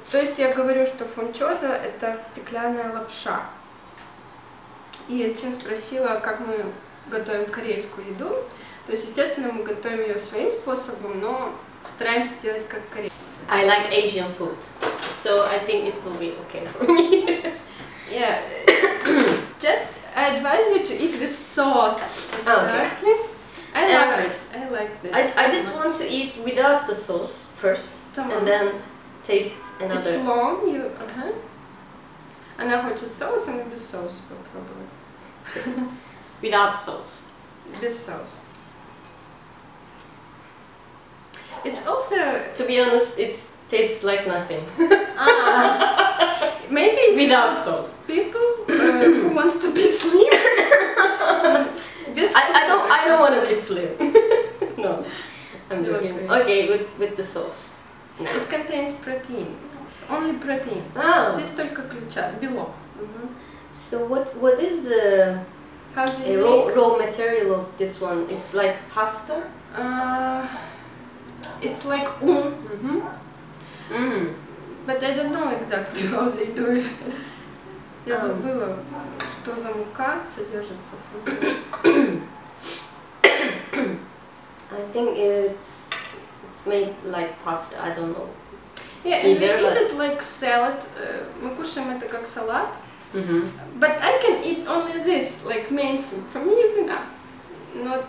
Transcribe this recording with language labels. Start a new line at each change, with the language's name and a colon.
Russian: То есть я говорю, что funchoza это стеклянная лапша. И я чем спросила, как мы готовим корейскую еду. То есть, естественно, мы готовим ее своим способом, но стараемся делать как корейцы.
English: I like Asian food, so I think it will be okay for me. Yeah, just I advise you to eat with sauce. Okay. I love it. I like this. I just want to eat without the sauce first, and then taste another. It's long, you.
Russian: Она хочет соус, а мы без соуса попробуем.
English: Without sauce.
Russian: Без соуса.
English: It's also. To be honest, it tastes like nothing. Maybe it's without sauce. People who wants to be slim. I don't want to be slim. No, I'm joking. Okay, with the sauce. No. It contains protein. Only protein.
Russian: Здесь только ключат, белок.
English: So what is the raw material of this one? It's like pasta? It's like But I don't know exactly how they do it.
Russian: Я забыла, что за мука содержится в муке.
English: I think it's made like pasta, I don't know. Yeah, and either, we eat it like salad.
Russian: Мы кушаем это как салат.
English: But I can eat only this, like main food. For me it's enough. Not